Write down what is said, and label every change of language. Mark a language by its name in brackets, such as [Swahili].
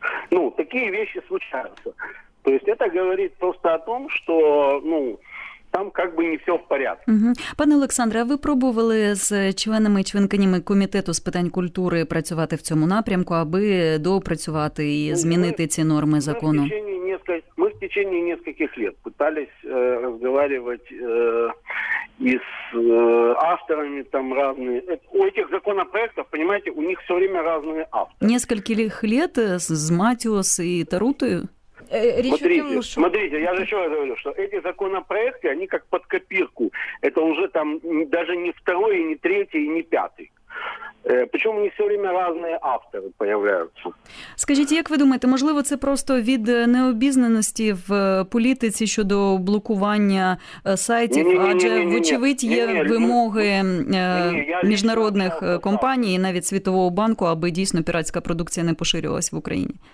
[Russian] Ну, такие вещи случаются. То есть это говорит просто о том, что ну, там как бы не все в порядке. Угу. [Ukrainian] Пане Олександре, а ви пробували з членами і членкинями Комітету з питань культури працювати в цьому напрямку, аби допрацювати і змінити ці норми закону? [Russian] Мы в течение нескольких лет пытались разговаривать и с авторами там разные. У этих законопроектов, понимаете, у них все время разные авторы. Нескольких лет с Матиос и Тарутою? Смотрите, я же еще раз говорю, что эти законопроекты, они как под копирку. Это уже там даже не второй, не третий, не пятый. Причому не все время разные авторы появляются. Скажите, как вы думаете, [Ukrainian] можливо, [Russian] это просто [Ukrainian] від необізнаності в політиці щодо блокування сайтів, адже вочевидь є вимоги міжнародних компаній, навіть Світового банку, аби дійсно піратська продукція не поширювалась в Україні?